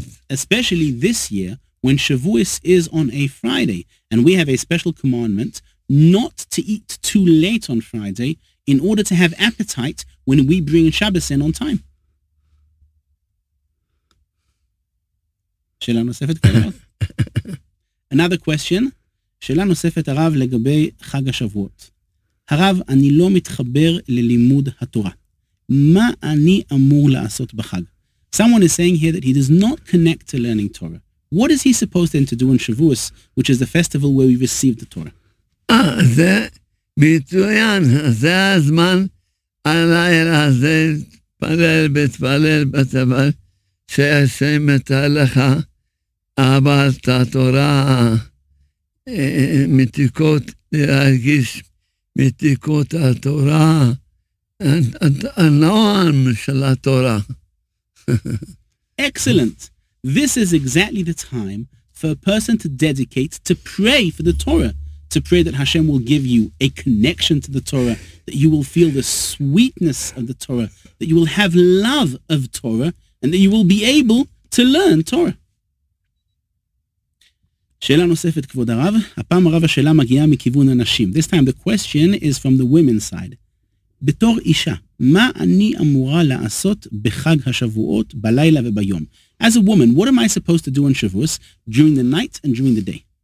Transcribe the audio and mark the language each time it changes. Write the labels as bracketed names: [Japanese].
[English] Especially this year, when Shavuos is on a Friday, and we have a special commandment not to eat too late on Friday in order to have appetite when we bring Shabbos in on time. [Hebrew] שאלה נוספת, [English] another question. [Hebrew] שאלה נוספת, הרב, לגבי חג השבועות. הרב, אני לא מתחבר ללימוד התורה. מה אני אמור לעשות בחג? [English] Someone is saying here that he does not connect to learning Torah. What is he supposed then to do on Shavuos, which is the festival where we receive the Torah? [Hebrew] זה מצוין, זה הזמן הלילה הזה תפלל ותפלל בצבל שישם את הלכה אבל את התורה מתיקות להרגיש מתיקות התורה הנועם של התורה. [English] Excellent. This is exactly the time for a person to dedicate to pray for the Torah, to pray that Hashem will give you a connection to the Torah, that you will feel the sweetness of the Torah, that you will have love of Torah, and that you will be able to learn Torah. [Hebrew] שאלה נוספת, כבוד הרב. הפעם הרב השאלה מגיעה מכיוון הנשים. [English] This time the question is from the women's side. [Hebrew] בתור אישה, מה אני אמורה לעשות בחג השבועות, בלילה וביום? [English] As a woman, what am I supposed to do on Shavuos during the night and during the day?